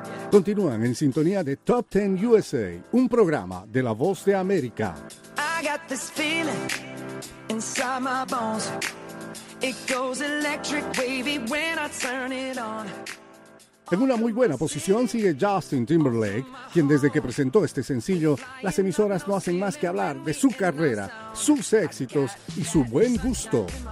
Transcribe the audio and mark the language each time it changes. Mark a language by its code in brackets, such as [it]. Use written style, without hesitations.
[es] Continúan en sintonía de Top 10 USA, un programa de La Voz de América. [en] I got this feeling inside my bones. It goes electric, wavy when I turn it on. [es] En una muy buena posición sigue Justin Timberlake, quien desde que presentó este sencillo, las emisoras no hacen más que hablar de su carrera, sus éxitos y su buen gusto.